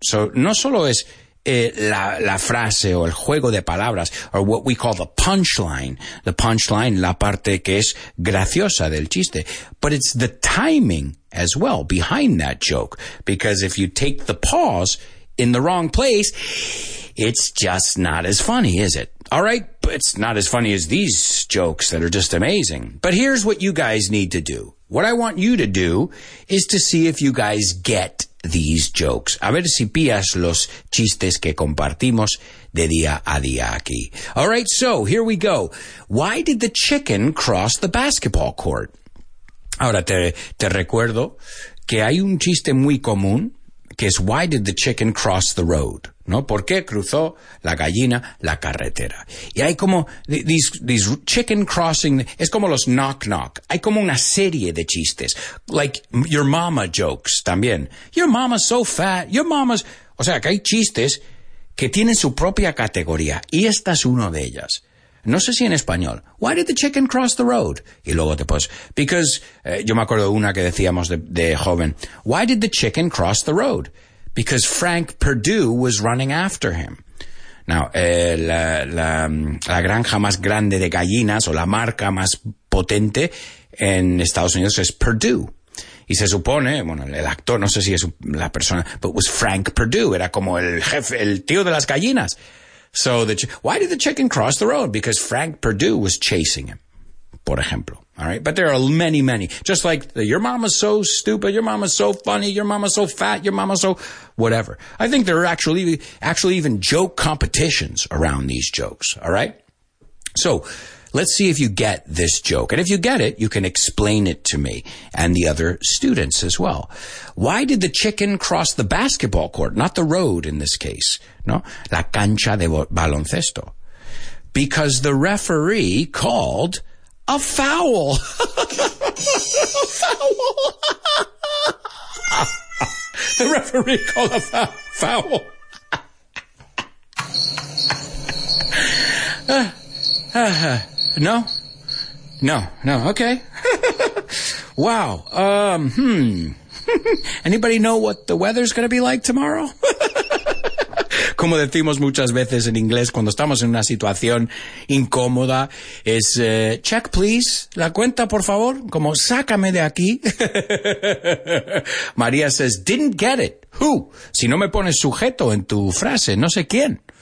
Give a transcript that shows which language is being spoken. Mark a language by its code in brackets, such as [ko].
[en] So [es] no solo es... La frase o el juego de palabras, [en] or what we call the punchline, [es] la parte que es graciosa del chiste, [en] but it's the timing as well behind that joke, because if you take the pause in the wrong place, it's just not as funny, is it? All right, but it's not as funny as these jokes that are just amazing. But here's what you guys need to do. What I want you to do is to see if you guys get these jokes. [es] A ver si pillas los chistes que compartimos de día a día aquí. [en] All right, so here we go. Why did the chicken cross the basketball court? [es] Ahora te recuerdo que hay un chiste muy común, que es [en] why did the chicken cross the road? [es] ¿No? ¿Por qué cruzó la gallina la carretera? Y hay como [en] these chicken crossing, [es] es como los [en] knock knock. [es] Hay como una serie de chistes. [en] Like your mama jokes [es] también. [en] Your mama's so fat. Your mama's... [es] O sea, que hay chistes que tienen su propia categoría. Y esta es una de ellas. No sé si en español. [en] Why did the chicken cross the road? [es] Y luego te pones... [en] Because... [es] yo me acuerdo una que decíamos de joven. [en] Why did the chicken cross the road? Because Frank Perdue was running after him. Now, [es] la granja más grande de gallinas, o la marca más potente en Estados Unidos, es Perdue. Y se supone, bueno, el actor, no sé si es la persona, [en] but was Frank Perdue. [es] Era como el jefe, el tío de las gallinas. [en] So, why did the chicken cross the road? Because Frank Perdue was chasing him, [es] por ejemplo. [en] All right, but there are many, many. Just like your mama's so stupid, your mama's so funny, your mama's so fat, your mama's so whatever. I think there are actually even joke competitions around these jokes. All right, so let's see if you get this joke, and if you get it, you can explain it to me and the other students as well. Why did the chicken cross the basketball court, not the road in this case? [es] No, la cancha de baloncesto. [en] Because the referee called. A foul. A foul. The referee called a foul. No. Okay. Wow. Anybody know what the weather's going to be like tomorrow? [es] Como decimos muchas veces en inglés, cuando estamos en una situación incómoda, es [en] check, please, [es] la cuenta, por favor, como sácame de aquí. María [en] says, didn't get it. Who? [es] Si no me pones sujeto en tu frase, no sé quién.